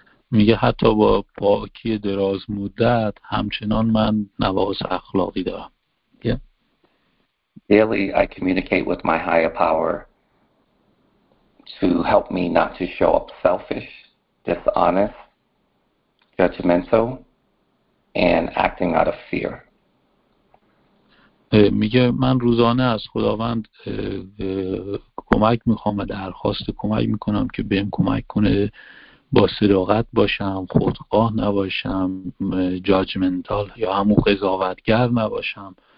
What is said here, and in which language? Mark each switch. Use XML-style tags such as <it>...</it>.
<fa>میگه حتی با پاکی دراز مدت همچنان من نواقص اخلاقی دارم.</fa> <en>Daily I communicate with my higher power to help me not to show up selfish, dishonest, judgmental, and acting out of fear.</en> <fa>میگه من روزانه از خداوند کمک میخوام و درخواست کمک میکنم که بهم کمک کنه با صداقت باشم، خودخواه نباشم، جاجمنتال یا همون قضاوتگر نباشم.</fa>